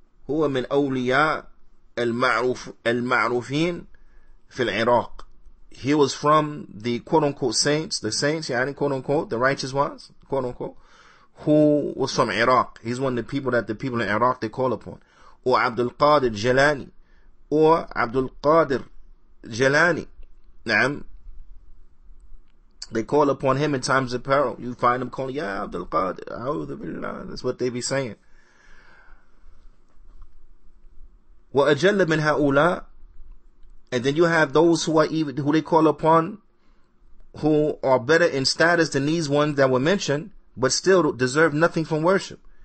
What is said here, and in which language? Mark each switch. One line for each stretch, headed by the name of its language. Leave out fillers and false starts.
Arabic: هو من أولياء المعروف المعروفين في العراق.
English: He was from the quote unquote saints, the saints, يعني quote unquote, the righteous ones, quote unquote, who was from Iraq. He's one of the people that the people in Iraq they call upon.
Arabic: Or عبد القادر جلاني. Or عبد القادر جلاني. نعم.
English: They call upon him in times of peril. You find them calling, yeah, عبد القادر.
Arabic: أعوذ بالله.
English: That's what they be saying.
Arabic: وَأَجَلَّ مِنْ هَؤُلَىٰ.
English: And then you have those who are even, who they call upon, who are better in status than these ones that were mentioned, but still deserve nothing from worship.